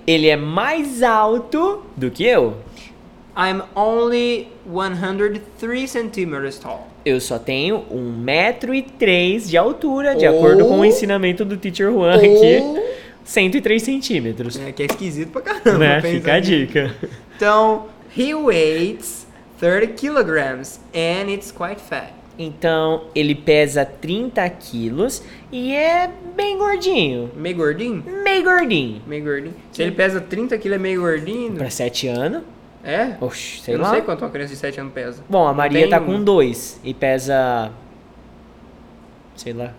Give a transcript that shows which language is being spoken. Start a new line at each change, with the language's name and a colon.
Portuguese: Ele é mais alto do que eu.
English: I'm only 103 centimeters tall.
Portuguese: Eu só tenho 1,03 metros de altura, de acordo com o ensinamento do Teacher Juan aqui. 103 centímetros. É, que é esquisito pra caramba. Né? Fica a dica. Então,
English: he weighs 30 kilograms and it's quite fat.
Portuguese: Então, ele pesa 30 quilos e é bem gordinho. Meio gordinho? Meio gordinho. Meio gordinho. Se ele pesa 30 quilos, é meio gordinho. Pra 7 anos. É? Oxi, sei eu lá. Eu não sei quanto uma criança de 7 anos pesa. Bom, a não Maria tá com 2 e pesa... Sei lá.